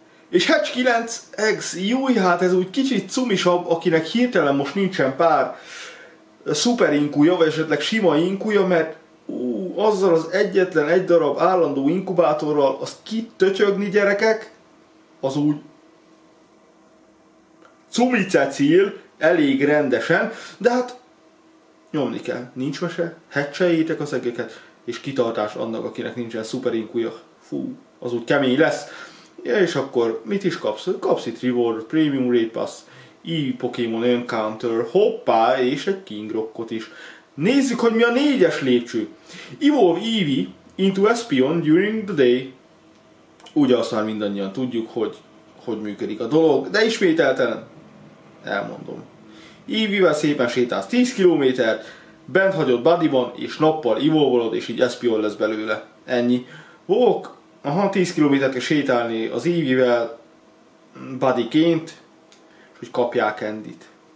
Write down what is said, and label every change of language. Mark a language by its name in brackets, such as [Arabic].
[Hungarian] És [English] Hatch 9 Eggs, [Hungarian] júj, hát ez úgy kicsit cumisabb, akinek hirtelen most nincsen pár szuper inkúja, vagy esetleg sima inkúja, mert azzal az egyetlen egy darab állandó inkubátorral azt kitötyögni, gyerekek, az úgy cumicecil elég rendesen, de hát nyomni kell, nincs mese, hatcheljétek az egeket, és kitartás annak, akinek nincsen szuper inkúja, fú, az úgy kemény lesz. Ja, és akkor mit is kapsz? Kapsz itt Reward, Premium Raid Pass, EV Pokémon Encounter, hoppá, és egy King Rockot is. Nézzük, hogy mi a négyes lépcső. [English] Evolve Eevee into Espeon during the day. [Hungarian] Ugye azt már mindannyian tudjuk, hogy hogy működik a dolog, de ismételten elmondom. Eevee-vel szépen sétálsz 10 km-t, bent hagyod bodyban, és nappal evolvolod, és így Espeon lesz belőle. Ennyi. Walk. Aha, 10 km-t kell sétálni az Eevee-vel bodyként, és hogy kapják Andy-t.